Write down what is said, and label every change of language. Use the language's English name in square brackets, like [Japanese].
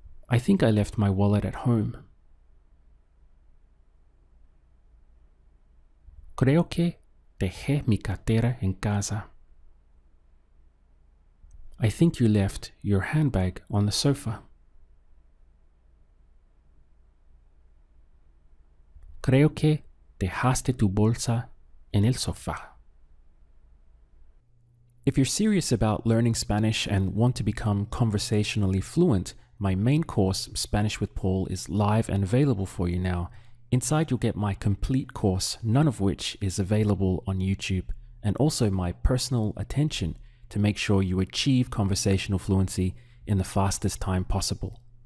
[English] I think I left my wallet at home. [Spanish] Creo que dejé mi cartera en casa. [English] I think you left your handbag on the sofa. [Spanish] Creo que dejaste tu bolsa en el sofá. [English] If you're serious about learning Spanish and want to become conversationally fluent, my main course, Spanish with Paul, is live and available for you now. Inside, you'll get my complete course, none of which is available on YouTube, and also my personal attention to make sure you achieve conversational fluency in the fastest time possible.